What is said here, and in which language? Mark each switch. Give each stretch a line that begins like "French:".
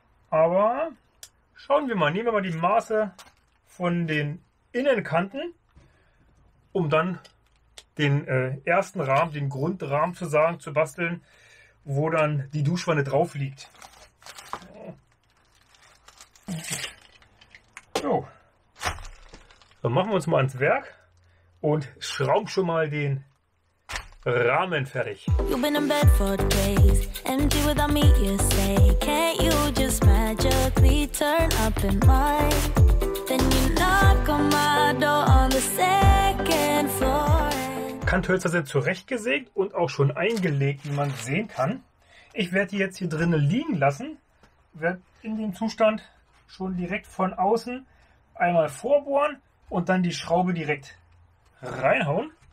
German: Aber schauen wir mal, nehmen wir mal die Maße von den Innenkanten, um dann den ersten Rahmen, den Grundrahmen zu sagen, zu basteln, wo dann die Duschwanne drauf liegt. So. Dann machen wir uns mal ans Werk und schrauben schon mal den Rahmen fertig.
English: You've been in bed for days, empty without me, you say. Can't you just magically turn up in mine? Then you knock on my door on the second floor.
German: Kanthölzer sind zurechtgesägt und auch schon eingelegt, wie man sehen kann. Ich werde die jetzt hier drinnen liegen lassen, werde in dem Zustand schon direkt von außen einmal vorbohren und dann die Schraube direkt reinhauen.